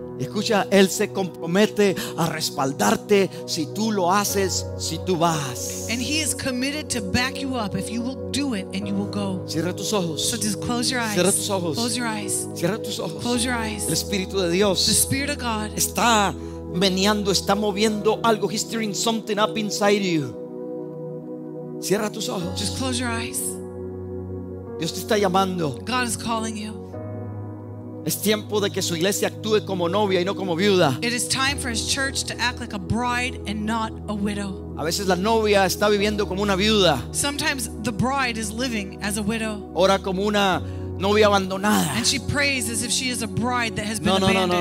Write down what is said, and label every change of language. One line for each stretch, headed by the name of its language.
Spanish: Escucha, él se compromete a respaldarte si tú lo haces, si tú vas.
English: And he is committed to back you up if you will do it and you will go.
Spanish: Cierra tus ojos.
English: So just close your eyes.
Spanish: Cierra tus ojos.
English: Close your eyes.
Spanish: Cierra tus ojos.
English: Close your eyes.
Spanish: El Espíritu de Dios.
English: The Spirit of God.
Spanish: Está meneando, está moviendo algo.
English: He's stirring something up inside you.
Spanish: Cierra tus ojos.
English: Just close your eyes.
Spanish: Dios te está llamando.
English: God is calling you.
Spanish: Es tiempo de que su iglesia actúe como novia y no como viuda.
English: It is time for his church to act like a bride and not a widow.
Spanish: A veces la novia está viviendo como una viuda.
English: Sometimes the bride is living as a widow.
Spanish: Ora como una novia abandonada.
English: And she prays as if she is a bride that has been abandoned.